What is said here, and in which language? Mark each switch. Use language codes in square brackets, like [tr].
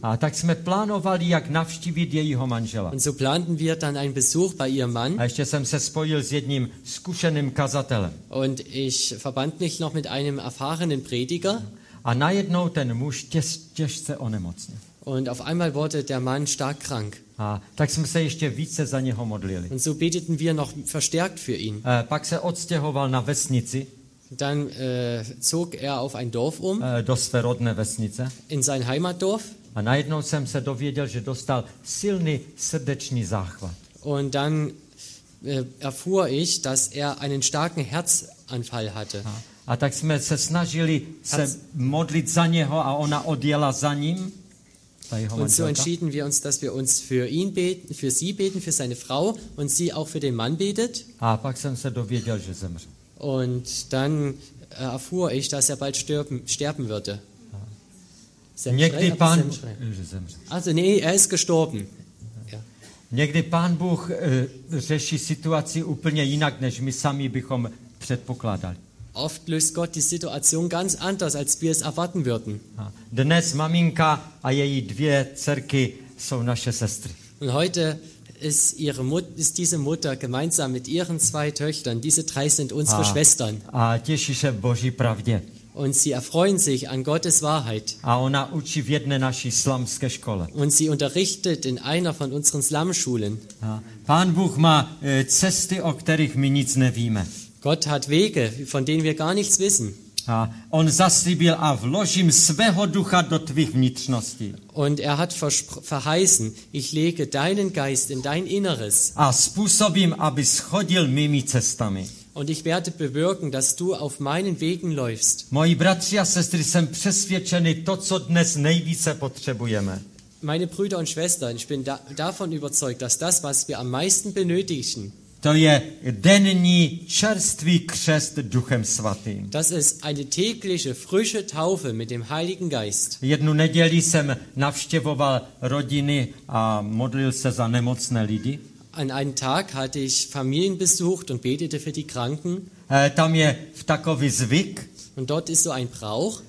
[cs] A tak jsme plánovali, jak navštívit jejího manžela. [de] Und so planten wir dann einen Besuch bei ihrem Mann. [cs] A ještě jsem se spojil s jedním zkušeným kazatelem. [de] Und ich verband mich noch mit einem erfahrenen Prediger. [cs] A najednou ten muž těžce onemocnil. [de] Und auf einmal wurde der Mann stark krank. [cs] A tak jsme se ještě více za něho modlili. [de] Und so beteten wir noch verstärkt für ihn. [cs] A pak se odstěhoval na vesnici. [de] Dann zog er auf ein Dorf um. [cs] Do své rodné vesnice. [de] In sein Heimatdorf. [cs] A najednou jsem se dověděl, že dostal silný srdeční záchvat. [de] Und dann erfuhr ich, dass er einen starken Herzanfall hatte. [cs] A tak jsme se snažili se modlit za něho a ona odjela za ním. [de] Und so entschieden wir uns, dass wir uns für ihn beten, für sie beten, für seine Frau und sie auch für den Mann betet. [cs] A pak jsem se dověděl, že zemře. [de] Und dann erfuhr ich, dass er bald sterben würde. [cs] Někdy pán [de] Also nee, er ist gestorben. [cs] Někdy pán Bůh řeší situaci úplně jinak, než my sami bychom předpokládali. [de] Oft löst Gott die Situation ganz anders, als wir es erwarten würden. [cs] Dnes maminka a její dvě dcerky jsou naše sestry. [de] Und heute ist ihre Mutter, ist diese Mutter gemeinsam mit ihren zwei Töchtern, diese drei sind unsere Schwestern. [cs] A těší se Boží pravdě. [de] Und sie erfreuen sich an Gottes Wahrheit. [cs] A ona učí v jedné naší slamské škole. [de] Und sie unterrichtet in einer von unseren Slumschulen. [cs] Pán Bůh má cesty, o kterých my nic nevíme. [de] Gott hat Wege, von denen wir gar nichts wissen. [cs] A on zaslíbil a vložím svého ducha do tvých vnitřností. [de] Und er hat verheißen, ich lege deinen Geist in dein Inneres. [cs] A způsobím, aby schodil mými cestami. [de] Und ich werde bewirken, dass du auf meinen Wegen läufst. [cs] Moji bratři a sestry, jsem přesvědčený, to, co dnes nejvíce potřebujeme. [de] Meine Brüder und Schwestern, ich bin davon überzeugt, dass das, was wir am meisten benötigen, [cs] to je denní čerstvý křest Duchem Svatým. [de] Das ist eine tägliche frische Taufe mit dem Heiligen Geist. [cs] Jednu neděli jsem navštěvoval rodiny a modlil se za nemocné lidi. [de] An einem Tag hatte ich Familien besucht und betete für die Kranken. [cs] Tam je v takový zvyk. [de] Und dort ist so ein Brauch.